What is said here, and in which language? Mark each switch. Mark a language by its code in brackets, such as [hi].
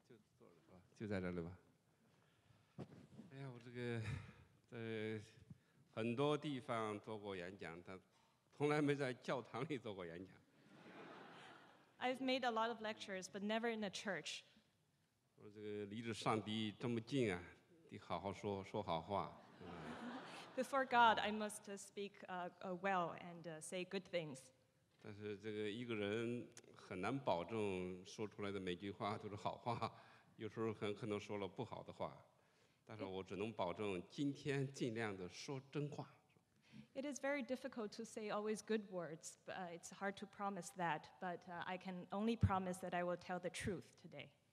[zh] 那么刚才欧立德教授已经说明了今天的演讲的规则，那么我想大家呢，那么也就不用我再多在这里累赘的再做介绍。那么现在我们是不是以最热烈的掌声有请莫言先生来为我们做演讲？谢谢。就坐着吧，就在这里吧。哎呀，我这个在很多地方做过演讲，但从来没在教堂里做过演讲。 [en] I've made a lot of lectures, but never in a church. [zh] 我这个离着上帝这么近啊，得好好说说好话。 [en] Before God, I must speak well and say good things. [zh] 但是这个一个人很难保证说出来的每句话都是好话，有时候很可能说了不好的话。但是我只能保证今天尽量的说真话。 [en] It is very difficult to say always good words. It's hard to promise that, but I can only promise that I will tell the truth today.